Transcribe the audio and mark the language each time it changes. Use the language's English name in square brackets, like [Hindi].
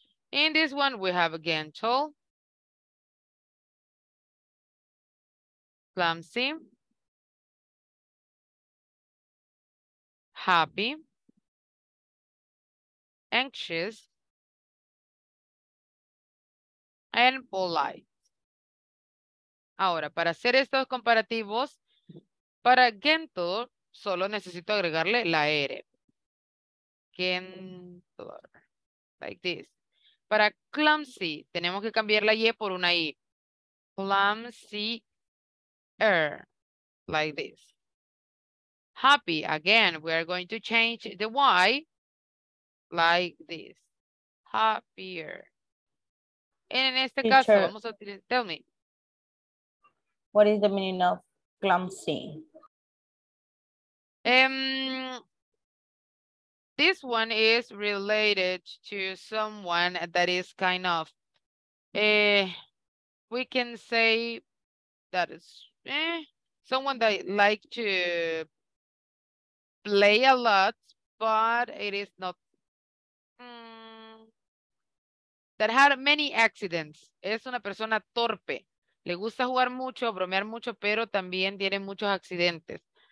[English] In this one, we have again tall, clumsy, happy, anxious, and polite. [Spanish] Ahora, para hacer estos comparativos, para Gentle, solo necesito agregarle la R. [English] Gentler, like this. [Spanish] Para clumsy, tenemos que cambiar la Y por una I. [English] Clumsy-er, like this. Happy, again, we are going to change the Y, like this. Happier. And in [Spanish] este caso, vamos a utilizar, [English] tell me. What is the meaning of clumsy? This one is related to someone that is kind of, we can say that is someone that like to play a lot, but it is not, that had many accidents. [Spanish] Es una persona torpe. Le gusta jugar mucho, bromear mucho, pero también tiene muchos accidentes.